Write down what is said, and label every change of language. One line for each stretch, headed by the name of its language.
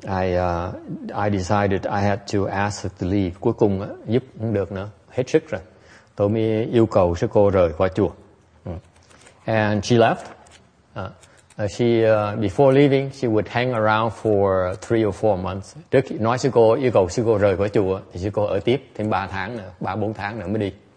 English: And finally, I decided I had to ask her to leave.
Vietnamese: Cuối cùng giúp cũng được nữa, hết sức rồi. Tôi mới yêu cầu sư cô rời khỏi chùa.
English: And she left. Before leaving, she would hang around for 3 or 4 months.
Vietnamese: Trước khi nói sư cô, yêu cầu sư cô rời khỏi chùa, thì sư cô ở tiếp thêm 3 tháng nữa mới đi.